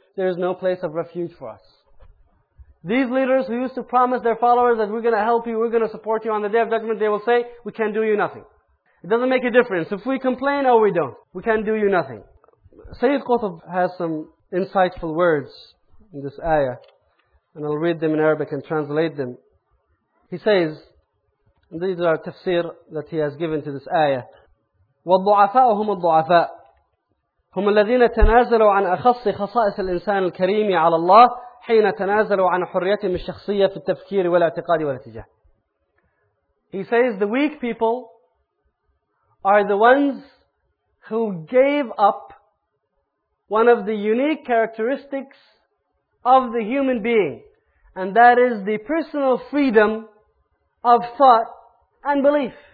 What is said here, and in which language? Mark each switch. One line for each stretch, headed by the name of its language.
English: There is no place of refuge for us. These leaders who used to promise their followers that we're going to help you, we're going to support you on the Day of Judgment, they will say, we can do you nothing. It doesn't make a difference. If we complain or we don't, we can do you nothing. Sayyid Qutb has some insightful words in this ayah, and I'll read them in Arabic and translate them. He says, and these are tafsir that he has given to this ayah,
Arabic: وَالضُعَفَاءُهُمُ الضُعَفَاءُ هُمُ الَّذِينَ تَنَازَلُوا عَنْ أَخَصِّ خَصَائِسِ الْإِنسَانِ الْكَرِيمِ عَلَى اللَّهِ حين تنازلوا عن حريتهم الشخصية في التفكير والاعتقاد والاتجاه.
English: He says the weak people are the ones who gave up one of the unique characteristics of the human being, and that is the personal freedom of thought and belief.